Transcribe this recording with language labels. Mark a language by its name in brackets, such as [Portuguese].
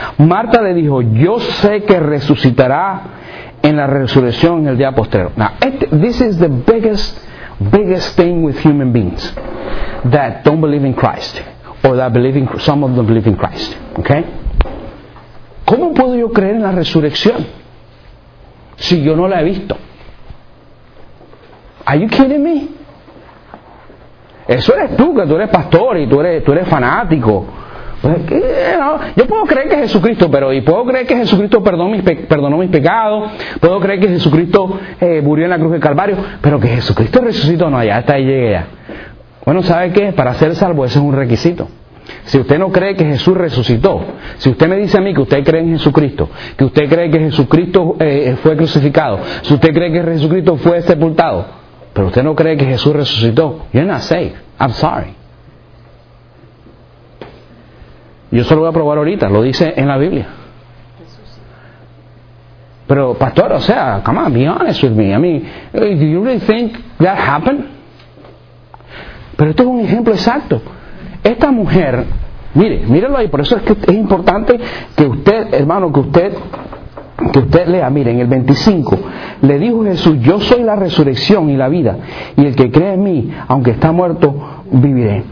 [Spanish] Marta le dijo, yo sé que resucitará en la resurrección en el día postrero. [English] Now, this is the biggest thing with human beings that don't believe in Christ, or that believe in, some of them believe in Christ, ¿ok? [Spanish] ¿Cómo puedo yo creer en la resurrección si yo no la he visto? [English] Are you kidding me? [Spanish] Eso eres tú, que tú eres pastor y tú eres fanático. No, yo puedo creer que Jesucristo, pero y puedo creer que Jesucristo perdonó mis pecados, puedo creer que Jesucristo murió en la cruz del Calvario, pero que Jesucristo resucitó, no, ya está, ahí llegué ya. Bueno, ¿sabe qué? Para ser salvo, ese es un requisito. Si usted no cree que Jesús resucitó, si usted me dice a mí que usted cree en Jesucristo, que usted cree que Jesucristo fue crucificado, si usted cree que Jesucristo fue sepultado, pero usted no cree que Jesús resucitó, [English] you're not safe, I'm sorry. [Spanish] Yo solo voy a probar ahorita, lo dice en la Biblia. Pero pastor, o sea, [English] come on, be honest with me. I mean, do you really think that happened? [Spanish] Pero esto es un ejemplo exacto. Esta mujer, mire, mírelo ahí, por eso es que es importante que usted, hermano, que usted lea, mire, en el 25, le dijo Jesús, yo soy la resurrección y la vida, y el que cree en mí, aunque está muerto, viviré.